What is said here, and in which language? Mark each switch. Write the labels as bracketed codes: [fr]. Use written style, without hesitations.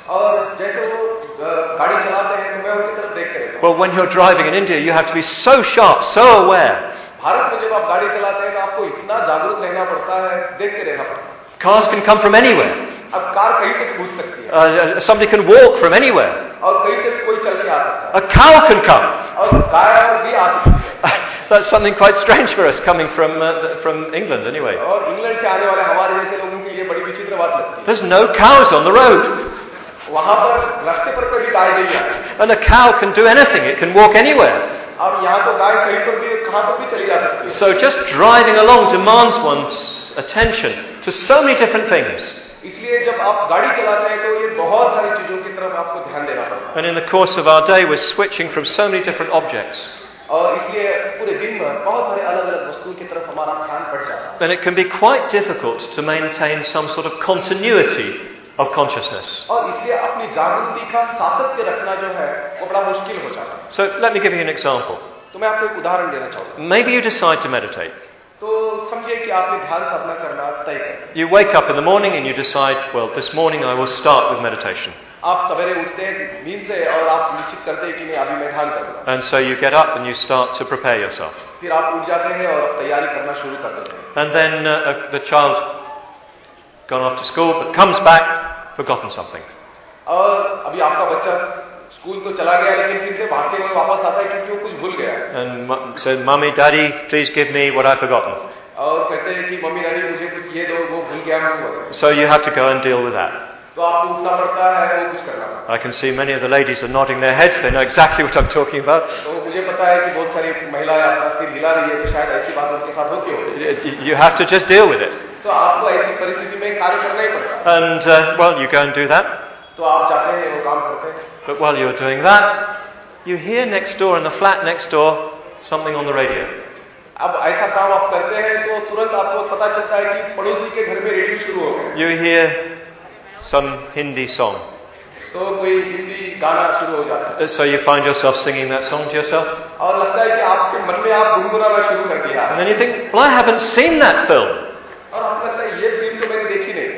[hi] और जैसे वो गाड़ी चलाते हैं तो मैं उनकी तरफ देख रहा हूं. [en] Well, when you're driving in India, you have to be so sharp, so aware. [hi] Bharat में जब आप गाड़ी चलाते हैं तो आपको इतना जागरूक रहना पड़ता है, देखते रहना पड़ता है. [en] Cars can come from anywhere. [hi] अब कार कहीं से पूछ सकती है. [en] Somebody can walk from anywhere. [hi] और कहीं से कोई चल के आ सकता है. [en] A cow can come. [hi] और गाय भी आ सकती है. [en] That's something quite strange for us coming from England, anyway. [hi] और इंग्लैंड से आने वाले हमारे जैसे लोगों के लिए बड़ी विचित्र बात लगती है. [en] There's no cows on the road. [hi] वहाँ पर रास्ते पर कोई गाय नहीं है. [en] And a cow can do anything. It can walk anywhere. [hi] अब यहाँ तो गाय कहीं पर भी कहाँ पर भी चली जा सकती है. [en] So just driving along demands one's attention to so many different things. [hi] इसलिए जब आप गाड़ी चलाते हैं तो ये बहुत सारी चीजों की तरफ आपको ध्यान देना पड़ता है. [en] And in the course of our day, we're switching from so many different objects. [hi] और इसलिए पूरे दिन में बहुत सारे अलग-अलग वस्तुओं की तरफ हमारा ध्यान पड़ जाता [en] है. And it can be quite difficult to maintain some sort of continuity of consciousness. [hi] और इसलिए अपनी जागृति का सातत्य रखना जो है वो बड़ा मुश्किल हो जाता है. [en] So let me give you an example. [hi] तो मैं आपको एक उदाहरण देना चाहूंगा. [en] Maybe you decide to meditate. [hi] तो समझिए कि आपने ध्यान साधना करना तय कर. [en] You wake up in the morning and you decide, well, this morning I will start with meditation. [hi] आप सवेरे उठते हैं नींद से और आप निश्चित करते हैं कि मैं अभी मैं ध्यान करूंगा. [en] And so you get up and you start to prepare yourself. [hi] फिर आप उठ जाते हैं और तैयारी करना शुरू कर देते हैं. [en] And then the child gone off to school but comes back forgotten something. [hi] और अभी आपका बच्चा स्कूल तो चला गया लेकिन फिर से भागते हुए वापस आता है क्योंकि वो कुछ भूल गया. [en] And said, "Mummy, Daddy, please give me what I've forgotten." [hi] और कहते हैं कि मम्मी डैडी मुझे कुछ ये दो वो भूल गया हूं. [en] So you have to go and deal with that. [hi] तो आपको उठना पड़ता है वो कुछ करना. [en] I can see many of the ladies are nodding their heads. They know exactly what I'm talking about. [hi] मुझे पता है कि बहुत सारी महिलाएं अपना सिर हिला रही हैं तो शायद ऐसी बात उनके साथ होती होगी. [en] You have to just deal with it. [hi] तो आपको ऐसी परिस्थिति में कार्य करना ही पड़ता है. [en] And well, you go and do that. [hi] तो आप जाते हैं वो काम करते हैं. [en] But while you're doing that, you hear next door in the flat next door something on the radio. [hi] अब ऐसा काम आप करते हैं तो तुरंत आपको पता चलता है कि पड़ोसी के घर में रेडियो शुरू हो गया. [en] You hear some Hindi song. [hi] तो कोई हिंदी गाना शुरू हो जाता है. [en] So you find yourself singing that song to yourself. [hi] और लगता है कि आपके मन में आप गुनगुनाना शुरू कर दिया. [en] And then you think, well, I haven't seen that film. [hi] और आप लगता है ये फिल्म तो मैंने देखी नहीं.